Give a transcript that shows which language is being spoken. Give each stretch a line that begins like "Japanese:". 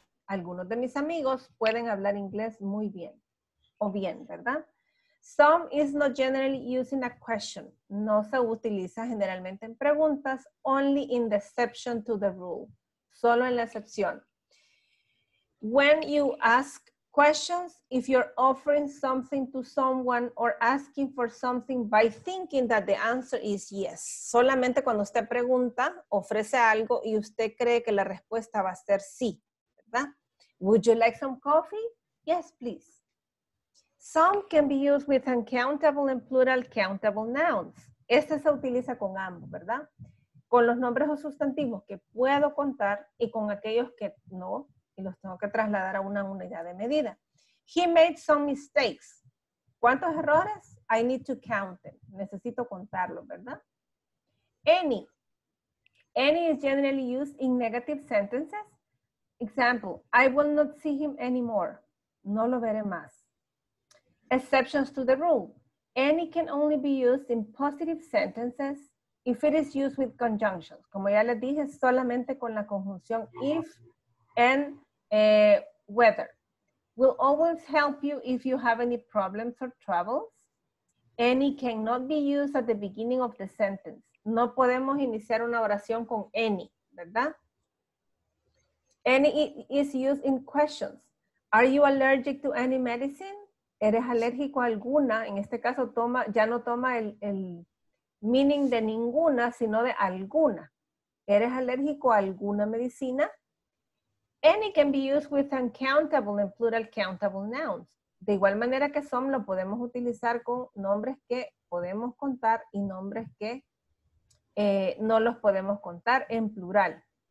Spanish: Algunos de mis amigos pueden hablar inglés muy bien. O bien, ¿verdad?
English: Some is not generally used in a question.
Spanish: No se utiliza generalmente en preguntas.
English: Only in the exception to the rule.
Spanish: Solo en la excepción.
English: When you ask questions, if you're offering something to someone or asking for something by thinking that the answer is yes.
Spanish: Solamente cuando usted pregunta, ofrece algo y usted cree que la respuesta va a ser sí, ¿verdad?
English: Would you like some coffee? Yes, please. Some can be used with uncountable and plural countable nouns.
Spanish: Este se utiliza con ambos, ¿verdad? Con los nombres o sustantivos que puedo contar y con aquellos que no, y los tengo que trasladar a una unidad de medida.
English: He made some mistakes.
Spanish: ¿Cuántos errores?
English: I need to count them.
Spanish: Necesito contarlos, ¿verdad?
English: Any. Any is generally used in negative sentences. Example, I will not see him anymore.
Spanish: No lo veré más.
English: Exceptions to the rule. Any can only be used in positive sentences if it is used with conjunctions.
Spanish: Como ya les dije, solamente con la conjunción if and whether.
English: Will always help you if you have any problems or troubles. Any cannot be used at the beginning of the sentence.
Spanish: No podemos iniciar una oración con any, ¿verdad?
English: Any is used in questions. Are you allergic to any medicine?
Spanish: ¿Eres alérgico a alguna? En este caso, toma, ya no toma el meaning de ninguna, sino de alguna. ¿Eres alérgico a alguna medicina?
English: Any can be used with uncountable and plural countable nouns.
Spanish: De igual manera que some, lo podemos utilizar con nombres que podemos contar y nombres que no los podemos contar en plural.